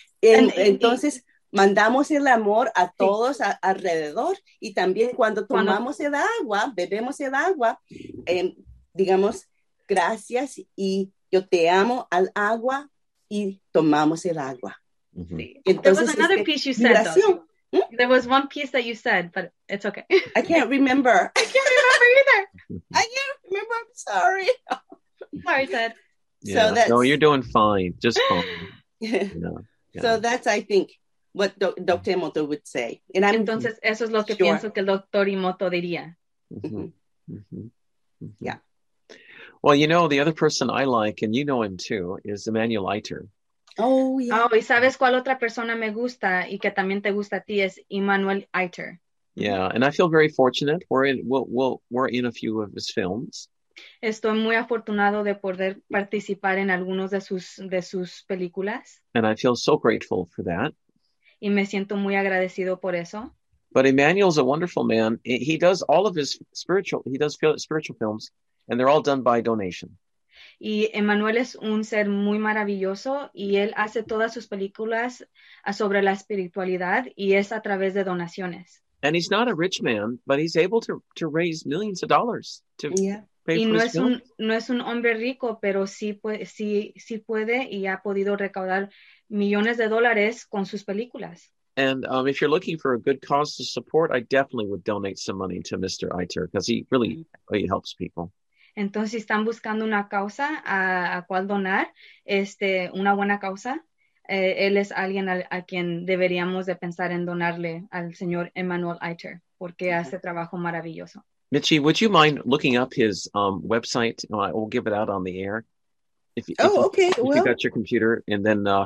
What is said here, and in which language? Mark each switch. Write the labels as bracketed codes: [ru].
[es] Entonces, mandamos el amor a todos alrededor, y también cuando tomamos el agua, bebemos el agua, digamos, gracias, y yo te amo al agua, y tomamos el agua. [en] Mm-hmm. Entonces, there was another piece you said, migración. Though. There was one piece that you said, but it's okay. I can't remember either. I'm sorry. Sorry, Ted. Yeah. So that's... No, you're doing fine. Just fine. Yeah. So that's, I think, what Dr. Emoto would say. And I'm [es] Entonces, eso es lo que [en] sure. [es] pienso que el Dr. Emoto diría. Mm-hmm. [en] Mm-hmm. Yeah. Well, you know, the other person I like, and you know him too, is Emmanuel Eiter. Oh, yeah. [es] Oh, y sabes cuál otra persona me gusta y que también te gusta a ti es Emmanuel Eiter. [en] Yeah, and I feel very fortunate. We're in a few of his films. [es] Estoy muy afortunado de poder participar en algunos de sus películas. [en] And I feel so grateful for that. [es] Y me siento muy agradecido por eso. [en] But Emmanuel's a wonderful man. He does all of his spiritual. He does spiritual films, and they're all done by donation. [es] Y Emmanuel es un ser muy maravilloso y él hace todas sus películas sobre la espiritualidad y es a través de donaciones. [en] And he's not a rich man, but he's able to raise millions of dollars to pay for his films. [es] Y no es un hombre rico, pero sí puede y ha podido recaudar millones de dólares con sus películas. [en] And if you're looking for a good cause to support, I definitely would donate some money to Mr. Eiter because he really helps people. [es] Entonces, si están buscando una causa a cual donar, una buena causa, él es alguien a quien deberíamos de pensar en donarle al señor Emmanuel Eiter, porque hace trabajo maravilloso. [en] Mitchie, would you mind looking up his website? We'll give it out on the air. If you got your computer, and then